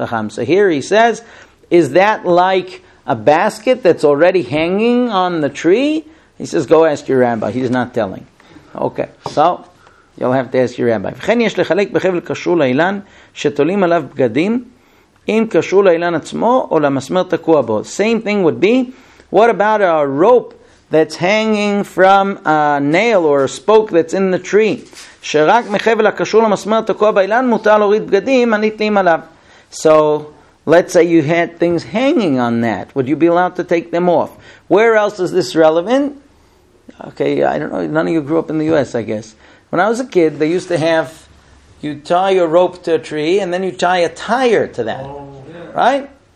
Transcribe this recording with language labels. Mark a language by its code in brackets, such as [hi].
[en] So here he says, is that like a basket that's already hanging on the tree? He says, go ask your rabbi. He's not telling. Okay, so you'll have to ask your rabbi. [he] וכן יש לחלק בחבל קשור לאילן שתולים עליו בגדים אם קשור לאילן עצמו או למסמר תקוע בו. [en] Same thing would be, what about a rope that's hanging from a nail or a spoke that's in the tree? [he] שרק מחבל הקשור למסמר תקוע באילן מותר להוריד בגדים הנתלים עליו. [en] So, let's say you had things hanging on that. Would you be allowed to take them off? Where else is this relevant? Okay, I don't know. None of you grew up in the U.S., I guess. When I was a kid, they used to have, you tie your rope to a tree and then you tie a tire to that. Right?